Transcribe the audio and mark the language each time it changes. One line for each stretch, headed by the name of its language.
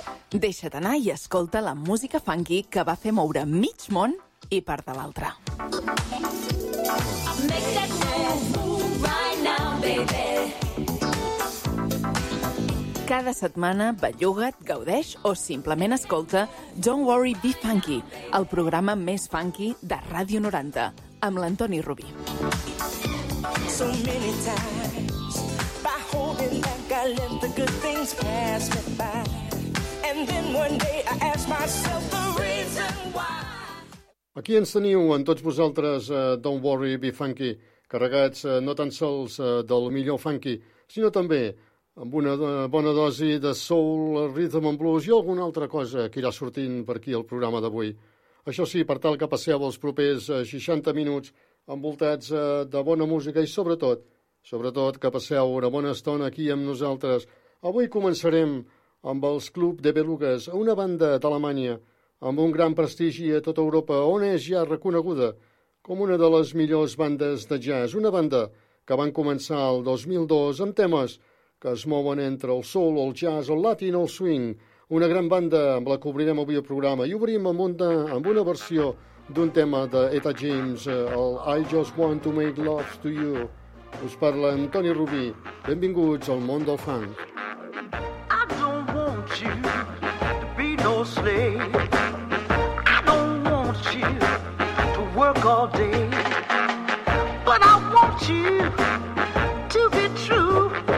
Catalan: Deixa't anar i escolta la música funky que va fer moure mig món i part de l'altra.
English: Make that move right now, baby.
Catalan: Cada setmana, belluga't, gaudeix o simplement escolta Don't Worry, Be Funky, el programa més funky de Ràdio 90, amb l'Antoni Rubí.
English: So many times, by holding back, I let the good things pass me by. And then one day I asked myself the reason why.
Catalan: Aquí ens teniu, en tots vosaltres, Don't Worry, Be Funky, carregats no tan sols del millor funky, sinó també amb una bona dosi de soul, rhythm and blues i alguna altra cosa que irà sortint per aquí al programa d'avui. Això sí, per tal que passeu els propers 60 minuts envoltats de bona música i sobretot que passeu una bona estona aquí amb nosaltres. Avui començarem amb els Club de Belugues, una banda d'Alemanya amb un gran prestigi a tota Europa, on és ja reconeguda com una de les millors bandes de jazz, una banda que van començar el 2002 amb temes que es mouen entre el soul, el jazz, el latin, el swing. Una gran banda amb la que obrirem avui el programa i obrim amb una versió d'un tema d'Etta James, el I Just Want To Make Love To You. Us parla Antoni Rubí. Benvinguts al món del funk.
English: I don't want you to be no slave. I don't want you to work all day. But I want you to be true.